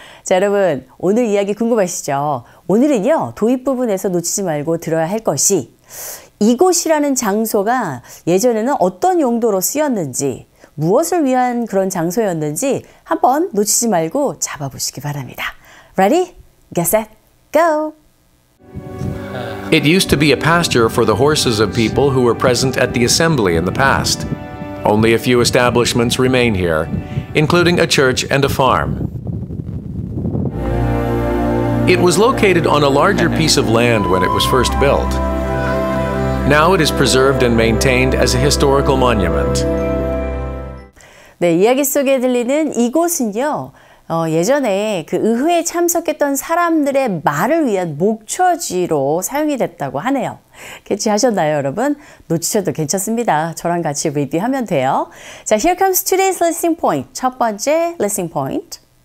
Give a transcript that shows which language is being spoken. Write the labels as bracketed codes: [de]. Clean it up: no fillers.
[ko] 자, 여러분, 오늘 이야기 궁금하시죠? 오늘은요, 도입 부분에서 놓치지 말고 들어야 할 것이 이곳이라는 장소가 예전에는 어떤 용도로 쓰였는지, 무엇을 위한 그런 장소였는지 한번 놓치지 말고 잡아보시기 바랍니다. [en] Ready? Get set. Go! It used to be a pasture for the horses of people who were present at the assembly in the past. Only a few establishments remain here, including a church and a farm. It was located on a larger piece of land when it was first built. Now it is preserved and maintained as a historical monument. [ko] 네, 이야기 속에 들리는 이곳은요. 예전에 그 의회에 참석했던 사람들의 말을 위한 목처지로 사용이 됐다고 하네요. 캐치하셨나요, 여러분? 놓치셔도 괜찮습니다. 저랑 같이 리뷰하면 돼요. [en] 자, here comes today's listening point. [ko] 첫 번째 [en] listening point.